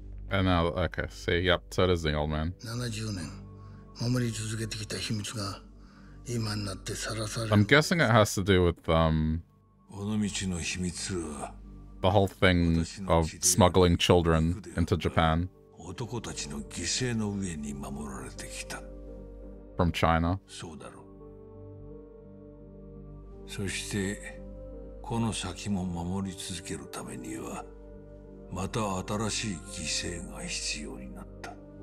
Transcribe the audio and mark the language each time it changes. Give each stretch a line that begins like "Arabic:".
English: And now, okay, see, yep, so does the old man.
Japanese: 70年, 守り続けてきた秘密が今になってさらされる。
English: I'm guessing it has to do with,
Japanese: この道の秘密は、
English: the whole thing of smuggling children into Japan.
Japanese: 男たちの犠牲の上に守られてきた。
English: From China.
Japanese: そうだろう。そして、この先も守り続けるためには、また新しい犠牲が必要になった。